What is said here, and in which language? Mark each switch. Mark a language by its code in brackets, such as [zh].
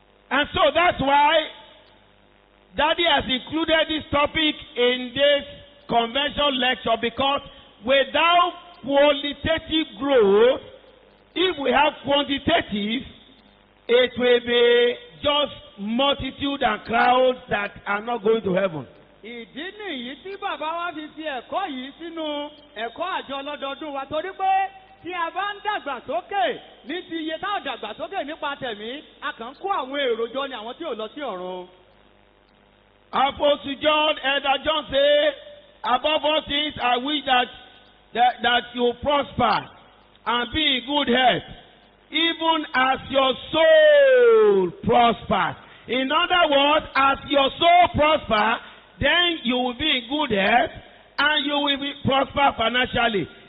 [en] And so that's why Daddy has included this topic in this convention lecture, because without qualitative growth, if we have quantitative, it will be just multitude and crowds that are not going to heaven. [yo] Ìdí nìyí tí bàbá wa fi fi ẹ̀kọ́ yìí sínú ẹ̀kọ́ àjọ ọlọ́dọọdún wa, torí pé tí a bá ń dàgbà sókè ní ti iye táwọn dàgbà sókè nípa tẹ̀mí, a kàn ń kó àwọn èrò jọ ni àwọn tí ò lọ sí ọ̀run. [en] Apostle John, Elder John say, above all things, I wish that you prosper and be in good health, even as your soul prospers. In other words, as your soul prospers, then you will be in good health and you will be prosper financially.